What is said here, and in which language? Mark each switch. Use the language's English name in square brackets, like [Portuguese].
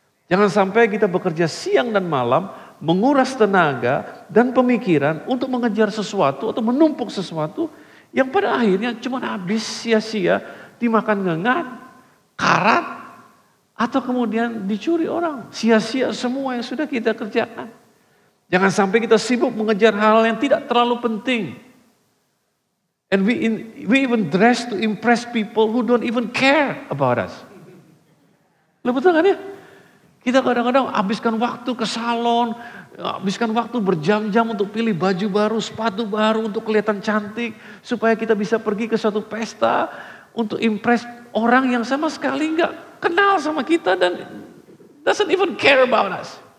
[Indonesian] Jangan sampai kita bekerja siang dan malam, menguras tenaga dan pemikiran untuk mengejar sesuatu atau menumpuk sesuatu yang pada akhirnya cuma habis sia-sia, dimakan ngengat, karat, atau kemudian dicuri orang. Sia-sia semua yang sudah kita kerjakan. Jangan sampai kita sibuk mengejar hal yang tidak terlalu penting. [English] And we even dress to impress people who don't even care about us. [Indonesian] Lu betul kan ya? Kita kadang-kadang habiskan waktu ke salon, habiskan waktu berjam-jam untuk pilih baju baru, sepatu baru untuk kelihatan cantik, supaya kita bisa pergi ke suatu pesta untuk impress orang yang sama sekali enggak kenal sama kita dan [English] doesn't even care about us.